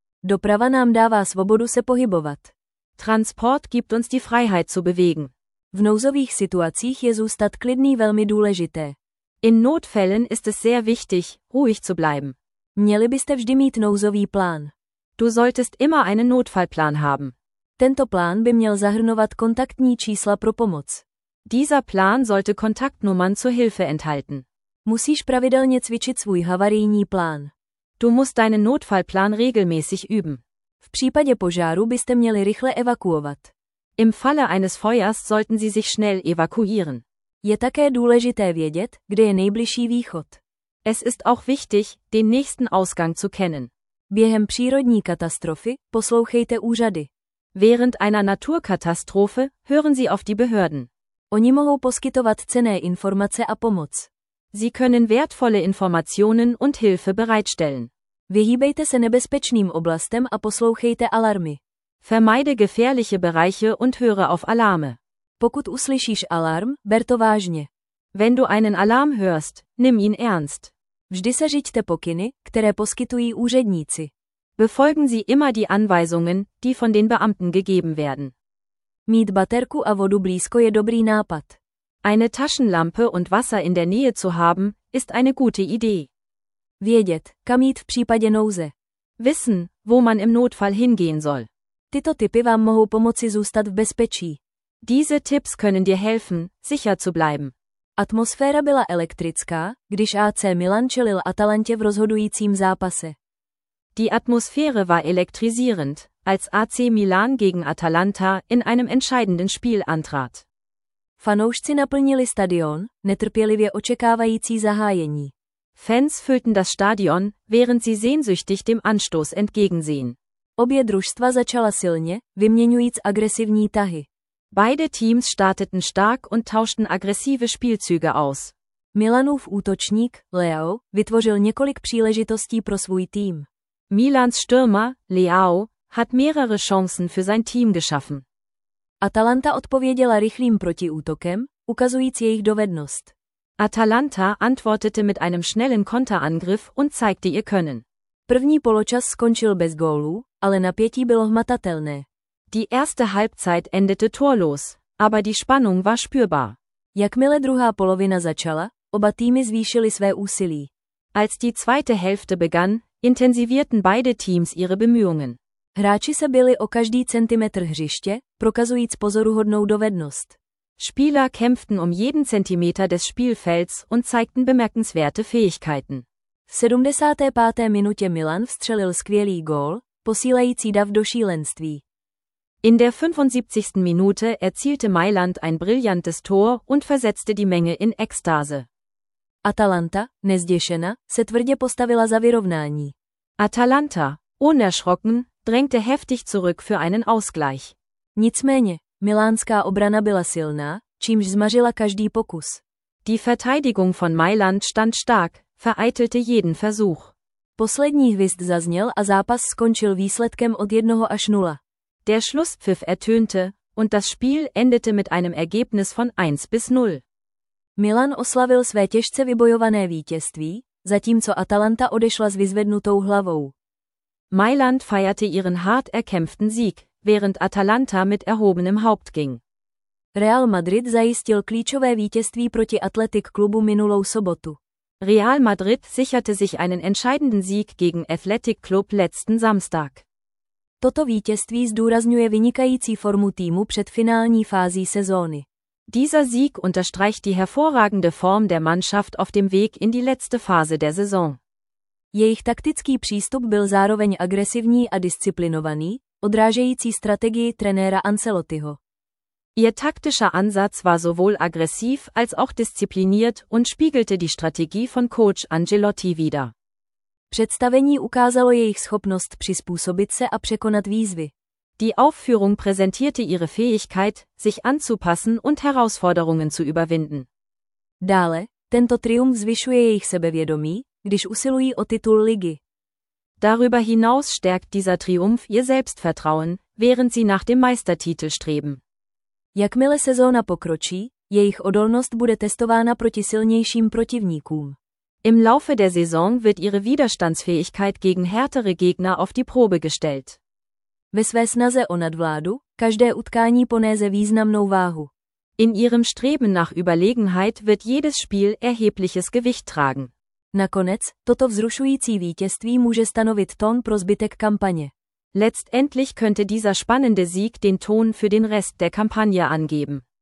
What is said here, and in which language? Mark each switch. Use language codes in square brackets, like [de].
[cs] Doprava nám dává svobodu se pohybovat. [de] Transport gibt uns die Freiheit zu bewegen. [cs] V nouzových situacích je zůstat klidný velmi důležité. [de] In Notfällen ist es sehr wichtig, ruhig zu bleiben. [cs] Měli byste vždy mít nouzový plán. [de] Du solltest immer einen Notfallplan haben. [cs] Tento plán by měl zahrnovat kontaktní čísla pro pomoc. [de] Dieser Plan sollte Kontaktnummern zur Hilfe enthalten. [cs] Musíš pravidelně cvičit svůj havarijní plán. [de] Du musst deinen Notfallplan regelmäßig üben. [cs] V případě požáru byste měli rychle evakuovat. [de] Im Falle eines Feuers sollten Sie sich schnell evakuieren. [cs] Je také důležité vědět, kde je nejbližší východ. [de] Es ist auch wichtig, den nächsten Ausgang zu kennen. [cs] Během přírodní katastrofy poslouchejte úřady. [de] Während einer Naturkatastrophe hören Sie auf die Behörden. [cs] Oni mohou poskytovat cenné informace a pomoc. [de] Sie können wertvolle Informationen und Hilfe bereitstellen. [cs] Vyhýbejte se nebezpečným oblastem a poslouchejte alarmy. [de] Vermeide gefährliche Bereiche und höre auf Alarme. [cs] Pokud uslyšíš alarm, ber to vážně. [de] Wenn du einen Alarm hörst, nimm ihn ernst. [cs] Vždy se řiďte pokyny, které poskytují úředníci. [de] Befolgen Sie immer die Anweisungen, die von den Beamten gegeben werden. [cs] Mít baterku a vodu blízko je dobrý nápad. [de] Eine Taschenlampe und Wasser in der Nähe zu haben, ist eine gute Idee. [cs] Vědět, kam jít v případě nouze. [de] Wissen, wo man im Notfall hingehen soll. [cs] Tyto tipy vám mohou pomoci zůstat v bezpečí. [de] Diese Tipps können dir helfen, sicher zu bleiben. [cs] Atmosféra byla elektrická, když AC Milan čelil Atalantě v rozhodujícím zápase. [de] Die Atmosphäre war elektrisierend, als AC Milan gegen Atalanta in einem entscheidenden Spiel antrat. [cs] Fanoušci naplnili stadion, netrpělivě očekávající zahájení. [de] Fans füllten das Stadion, während sie sehnsüchtig dem Anstoß entgegensehen. [cs] Obě družstva začala silně, vyměňujíc agresivní tahy. [de] Beide Teams starteten stark und tauschten aggressive Spielzüge aus. [cs] Milanův útočník, Leao, vytvořil několik příležitostí pro svůj tým. [de] Milans Stürmer, Leao, hat mehrere Chancen für sein Team geschaffen. [cs] Atalanta odpověděla rychlým protiútokem, ukazujíc jejich dovednost. [de] Atalanta antwortete mit einem schnellen Konterangriff und zeigte ihr Können. [cs] První poločas skončil bez gólů, ale napětí bylo hmatatelné. [de] Die erste Halbzeit endete torlos, aber die Spannung war spürbar. [cs] Jakmile druhá polovina začala, oba týmy zvýšily své úsilí. [de] Als die zweite Hälfte begann, intensivierten beide Teams ihre Bemühungen. [cs] Hráči se bili o každý centimetr hřiště, prokazujíc pozoruhodnou dovednost. [de] Spieler kämpften um jeden Zentimeter des Spielfelds und zeigten bemerkenswerte Fähigkeiten. [cs] V 75. minutě Milan vstřelil skvělý gól, posílající dav do šílenství. [de] In der 75. Minute erzielte Mailand ein brillantes Tor und versetzte die Menge in Ekstase. [cs] Atalanta, nezděšena, se tvrdě postavila za vyrovnání. [de] Atalanta, unerschrocken, drängte heftig zurück für einen Ausgleich. [cs] Nicméně, milánská obrana byla silná, čímž zmařila každý pokus. [de] Die Verteidigung von Mailand stand stark, vereitelte jeden Versuch. [cs] Poslední hvist zazněl a zápas skončil výsledkem od 1-0. [de] Der Schlusspfiff ertönte und das Spiel endete mit einem Ergebnis von 1-0. [cs] Milan oslavil své těžce vybojované vítězství, zatímco Atalanta odešla s vyzvednutou hlavou. [de] Mailand feierte ihren hart erkämpften Sieg, während Atalanta mit erhobenem Haupt ging. [cs] Real Madrid zajistil klíčové vítězství proti Athletic Clubu minulou sobotu. [de] Real Madrid sicherte sich einen entscheidenden Sieg gegen Athletic Club letzten Samstag. [cs] Toto vítězství zdůrazňuje vynikající formu týmu před finální fází sezóny. [de] Dieser Sieg unterstreicht die hervorragende Form der Mannschaft auf dem Weg in die letzte Phase der Saison. [cs] Jejich taktický přístup byl zároveň agresivní a disciplinovaný, odrážející strategii trenéra Ancelottiho. [de] Ihr taktischer Ansatz war sowohl aggressiv als auch diszipliniert und spiegelte die Strategie von Coach Ancelotti wider. [cs] Představení ukázalo jejich schopnost přizpůsobit se a překonat výzvy. [de] Die Aufführung präsentierte ihre Fähigkeit, sich anzupassen und Herausforderungen zu überwinden. [cs] Dále, tento triumf zvyšuje jejich sebevědomí, když usilují o titul ligy. [de] Darüber hinaus stärkt dieser Triumph ihr Selbstvertrauen, während sie nach dem Meistertitel streben. [cs] Jakmile sezóna pokročí, jejich odolnost bude testována proti silnějším protivníkům. [de] Im Laufe der Saison wird ihre Widerstandsfähigkeit gegen härtere Gegner auf die Probe gestellt. [cs] Ve své snaze o nadvládu, každé utkání ponese významnou váhu. [de] In ihrem Streben nach Überlegenheit wird jedes Spiel erhebliches Gewicht tragen. [cs] Nakonec, toto vzrušující vítězství může stanovit tón pro zbytek kampaně. [de] Letztendlich könnte dieser spannende Sieg den Ton für den Rest der Kampagne angeben.